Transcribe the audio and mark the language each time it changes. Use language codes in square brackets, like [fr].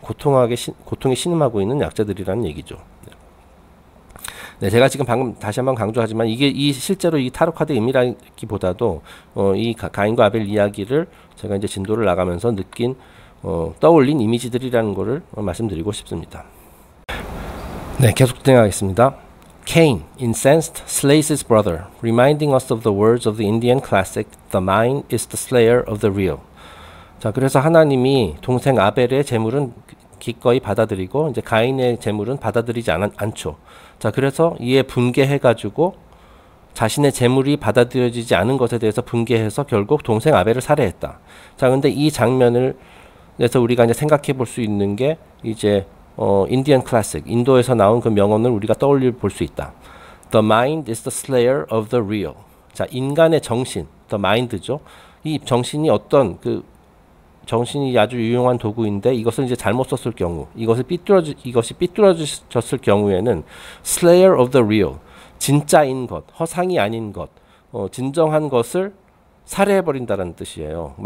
[ko] 고통에 신음하고 있는 약자들이라는 얘기죠. 네, 제가 지금 방금 다시 한번 강조하지만 이게 이 실제로 이 타로카드 의미라기보다도 이 가인과 아벨 이야기를 제가 이제 진도를 나가면서 느낀 떠올린 이미지들이라는 거를 말씀드리고 싶습니다. 네, 계속 진행하겠습니다. [en] Cain, incensed, slays his brother, reminding us of the words of the Indian classic, "The mind is the slayer of the real." [ko] 자, 그래서 하나님이 동생 아벨의 제물은 기꺼이 받아들이고 이제 가인의 제물은 받아들이지 않죠. 자, 그래서 이에 분개해가지고 자신의 제물이 받아들여지지 않은 것에 대해서 분개해서 결국 동생 아벨을 살해했다. 자, 근데 이 장면을 내서 우리가 이제 생각해 볼수 있는 게 이제 인디언 클래식, 인도에서 나온 그 명언을 우리가 떠올려 볼수 있다. [en] The mind is the slayer of the real. [ko] 자, 인간의 정신, the mind죠. 이 정신이 어떤 그 정신이 아주 유용한 도구인데 이것을 이제 잘못 썼을 경우, 이것이 삐뚤어졌을 경우에는 [en] slayer of the real, [ko] 진짜인 것, 허상이 아닌 것, 진정한 것을 살해해 버린다는 뜻이에요.